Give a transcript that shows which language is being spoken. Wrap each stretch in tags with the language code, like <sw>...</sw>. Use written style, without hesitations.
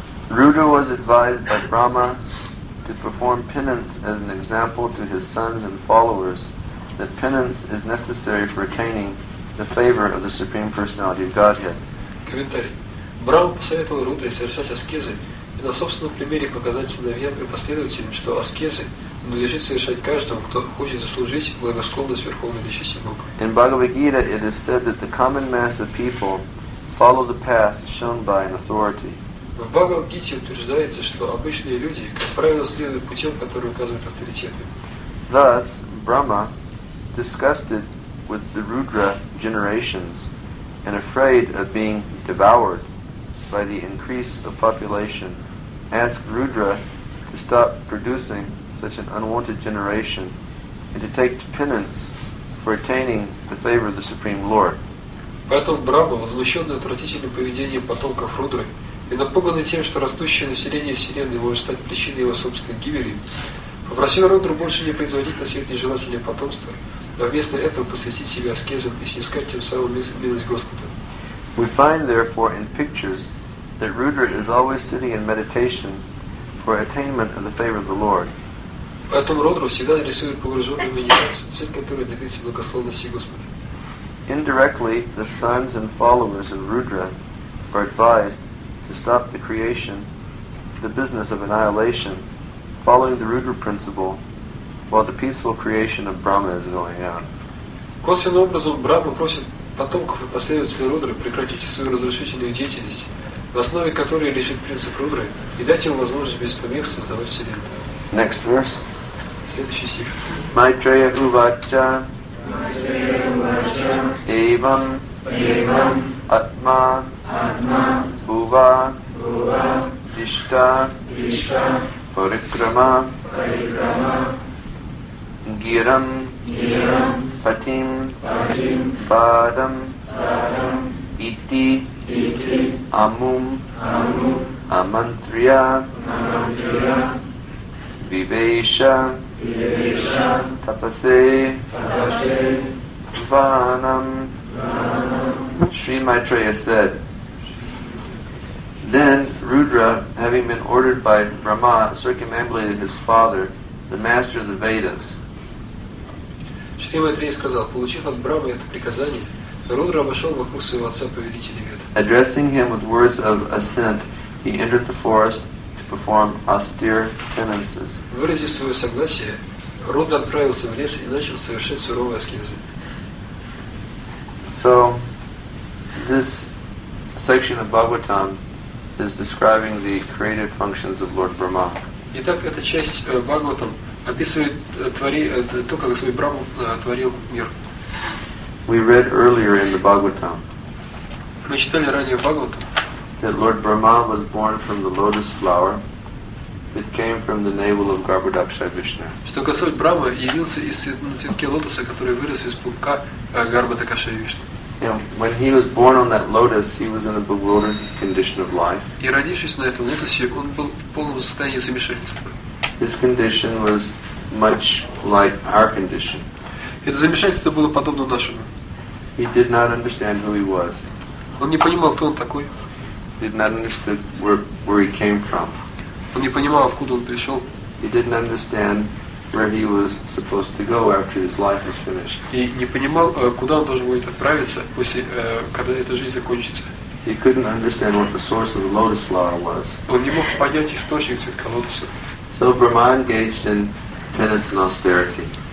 <en>Rudra was advised by Brahma to perform penance as an example to his sons and followers that penance is necessary for attaining the favor of the Supreme Personality of Godhead.</en> <ru>Комментарий. Брахма посоветовал Рудре совершать аскезы и на собственном примере показать сыновьям и последователям, что аскезы надлежит совершать каждому, кто хочет заслужить благосклонность Верховной Личности Бога.</ru> <en>In Bhagavad Gita it is said that the common mass of people follow the path shown by an authority.</en> <ru>В Бхагавад Гите утверждается, что обычные люди, как правило, следуют путем, который указывают авторитеты.</ru> <en>Thus, Brahma, disgusted with the Rudra generations and afraid of being devoured by the increase of population, asked Rudra to stop producing such an unwanted generation and to take penance for attaining the favor of the Supreme Lord.</en> <ru>Поэтому Брахма, возмущенный отвратительным поведением потомков Рудры и напуганный тем, что растущее население Вселенной может стать причиной его собственной гибели, попросил Рудру больше не производить на свет нежелательное потомство, но вместо этого посвятить себя аскезам и снискать тем самым милость Господа.</ru> <en>We find, therefore, in pictures that Rudra is always sitting in meditation for attainment of the favor of the Lord.</en> <ru>Поэтому Рудру всегда рисует погруженную медитацию, цель которой добиться благословности Господа.</ru> <en>Indirectly, the sons and followers of Rudra are advised to stop the creation, the business of annihilation, following the Rudra principle, while the peaceful creation of Brahma is going on.</en> <ru>Косвенным образом Брахма просит потомков и последователей Рудры прекратить свою разрушительную деятельность, в основе которой лежит принцип Рудры, и дать ему возможность без помех создавать Вселенную.</ru> <en>Next verse.</en> <ru>Следующий стих.</ru> <sa>Майтрея увача. Evam Atma Bhuva Dishta Parikrama Giram Patim Padam Iti Amum Amantriya Vivesha Tapase Vanam.</sa> <en>Sri Maitreya said, then Rudra, having been ordered by Brahma, circumambulated his father, the master of the Vedas.</en> <ru>Sri Maitreya сказал, получив от Брахмы это приказание, Рудра вошел вокруг своего отца повелителя Вед.</ru> <en>Addressing him with words of assent, he entered the forest to perform austere penances.</en> <ru>Выразив свое согласие, Рудра отправился в лес и начал совершать суровые аскезы.</ru> <en>So, this section of Bhagavatam is describing the creative functions of Lord Brahma.</en> <ru>Итак, эта часть Бхагаватам описывает то, как свой Брахма творил мир.</ru> <en>We read earlier in the Bhagavatam.</en> <ru>Мы читали ранее в Бхагаватам.</ru> <en>That Lord Brahma was born from the lotus flower. It came from the navel of Garbhodaksha Vishnu.</en> <ru>Что касается Брахмы, явился из цветки лотоса, который вырос из пупка Гарбхадакши Вишну.</ru> <en>When he was born on that lotus, he was in a bewildered condition of life.</en> <ru>И родившись на этом лотосе, он был в полном состоянии замешательства.</ru> <en>His condition was much like our condition.</en> <ru>Это замешательство было подобно нашему.</ru> <en>He did not understand who he was.</en> <ru>Он не понимал, кто он такой.</ru> <en>He did not understand where he came from.</en> <ru>Он не понимал, откуда он пришел.</ru> <en>He didn't understand where he was supposed to go after his life was finished.</en> <ru>И не понимал, куда он должен будет отправиться, после, когда эта жизнь закончится.</ru> <en>He couldn't understand what the source of the lotus flower was.</en> <ru>Он не мог понять источник цветка лотоса.</ru> <en>So Brahma engaged in penance and austerity.</en>